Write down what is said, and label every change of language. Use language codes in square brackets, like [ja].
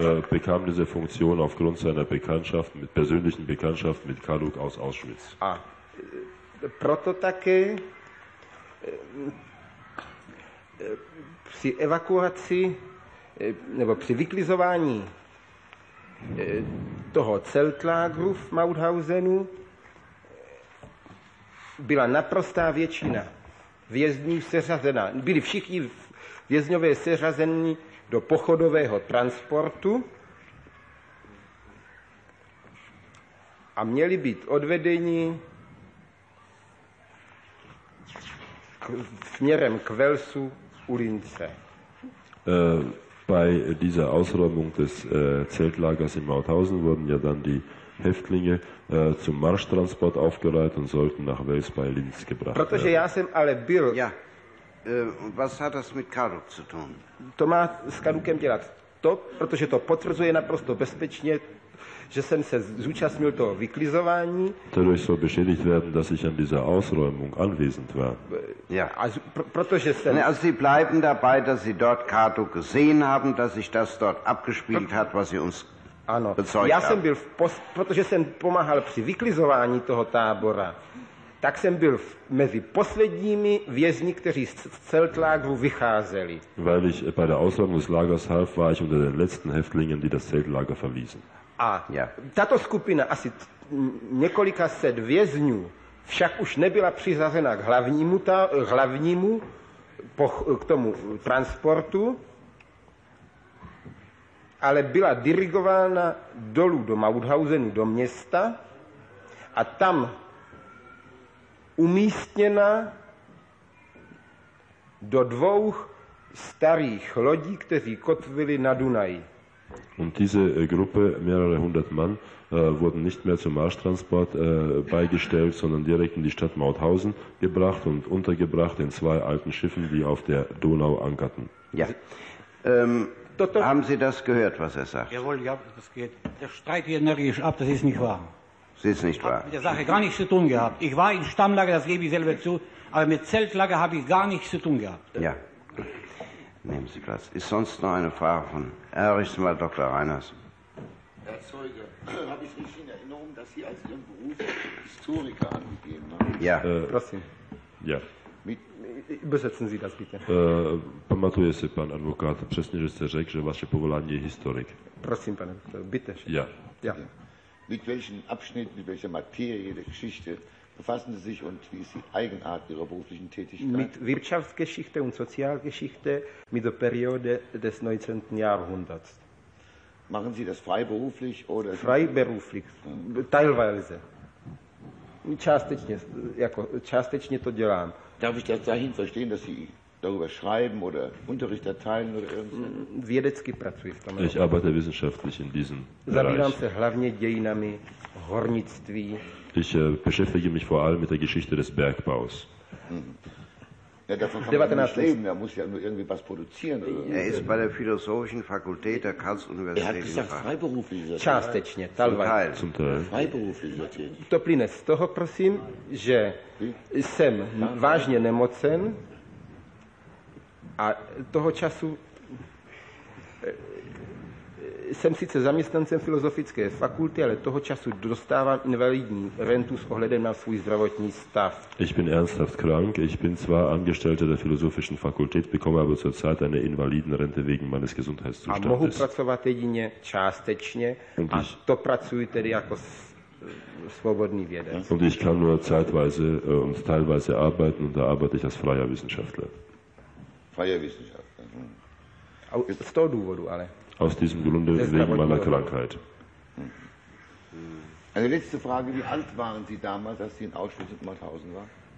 [de] bekam diese Funktion aufgrund seiner Bekanntschaft, mit persönlichen Bekanntschaft mit Kaduk aus Auschwitz. [cs] Proto také při evakuaci nebo při vyklizování toho celtlágru v Mauthausenu byla naprostá většina vězňů seřazena. Byli všichni vězňové seřazeni do pochodového transportu a měli být odvedeni směrem k Velsu u Lince. [de] Bei dieser Ausräumung des Zeltlagers in Mauthausen wurden ja dann die Häftlinge zum Marschtransport aufgereiht und sollten nach Wels bei Linz gebracht werden. [cs] Protože já jsem ale byl. [de] Ja. Was hat das mit Kaduk zu tun? [cs] To má s Kadukem dělat to, protože to potvrzuje naprosto bezpečně, že jsem se zúčastnil toho vyklizování. [de] Dadurch soll beschädigt werden, dass ich an dieser Ausräumung anwesend war. Ja, [cs] also protože jsem. [de] Also Sie bleiben dabei, dass Sie dort Kaduk gesehen haben, dass sich das dort abgespielt hat, was Sie uns [cs] ano, [de] bezeugt [cs] já jsem byl protože jsem pomáhal při vyklizování toho tábora, tak jsem byl mezi posledními vězni, kteří z celtlágru vycházeli. [de] Weil ich bei der Ausräumung des Lagers half, war ich unter den letzten Häftlingen, die das Zeltlager verließen. [cs] A ja. Tato skupina asi několika set vězňů však už nebyla přizazena k hlavnímu, k tomu transportu, ale byla dirigována dolů do Mauthausenu, do města a tam umístěna do dvou starých lodí, kteří kotvili na Dunaji. [de] Und diese Gruppe, mehrere hundert Mann, wurden nicht mehr zum Marschtransport beigestellt, sondern direkt in die Stadt Mauthausen gebracht und untergebracht in zwei alten Schiffen, die auf der Donau ankerten. Ja. Haben Sie das gehört, was er sagt? Jawohl, ja, das geht. Der Streit hier energisch ab, das ist nicht wahr. Das ist nicht wahr. Ich habe mit der Sache gar nichts zu tun gehabt. Ich war in Stammlager, das gebe ich selber zu, aber mit Zeltlager habe ich gar nichts zu tun gehabt. Ja. Nehmen Sie Platz. Ist sonst noch eine Frage von Errichten bei Dr. Reiners? Herr Zeuge, habe ich mich in Erinnerung, dass Sie als Ihren Beruf Historiker angegeben haben? Ja. [cs] Prosim. [de] Ja. Übersetzen Sie das bitte. [cs] Pamatuje se, pan advokát, přesně, že jste řekl, že vaše povolání je historik. Prosím, pane, bitte. [de] Ja. Ja. Mit welchen Abschnitten, mit welcher Materie der Geschichte befassen Sie sich und wie ist die Eigenart Ihrer beruflichen Tätigkeit? Mit Wirtschaftsgeschichte und Sozialgeschichte mit der Periode des 19. Jahrhunderts. Machen Sie das freiberuflich oder? Freiberuflich, teilweise. [ru] Частично то делаем. [de] Darf ich das dahin verstehen, dass Sie darüber schreiben oder Unterricht erteilen oder irgendwas? [cs] Vědecky pracuji v tom. [de] Ich arbeite wissenschaftlich in diesem Bereich. [cs] Zabývám se hlavně dějinami hornictví. [de] Ich beschäftige mich vor allem mit der Geschichte des Bergbaus. Ja, davon kann man nicht leben. Er muss ja nur irgendwie was produzieren. Er ist bei der Philosophischen Fakultät der Karls-Universität. Er hat gesagt, freiberuflich sortiert. [cs] Частечně, teilweise. [de] Zum Teil. Freiberuflich sortiert. [cs] To plyne z toho, prosím, že jsem vážně nemocen a toho času jsem sice zaměstnancem Filozofické fakulty, ale toho času dostávám invalidní rentu s ohledem na svůj zdravotní stav. [de] Ich bin ernsthaft krank. Ich bin zwar Angestellter der Philosophischen Fakultät, bekomme aber zurzeit eine Invalidenrente wegen meines Gesundheitszustandes. [cs] A mohu pracovat jedině částečně a to pracuji tedy jako svobodný vědec. [de] Und ich kann nur zeitweise und teilweise arbeiten und da arbeite ich als freier Wissenschaftler. Freier Wissenschaftler. [cs] Hm. Z toho důvodu, ale... [de] Aus diesem Grunde wegen meiner Krankheit. Eine letzte Frage: Wie alt waren Sie damals, als Sie in Auschwitz und Mauthausen waren?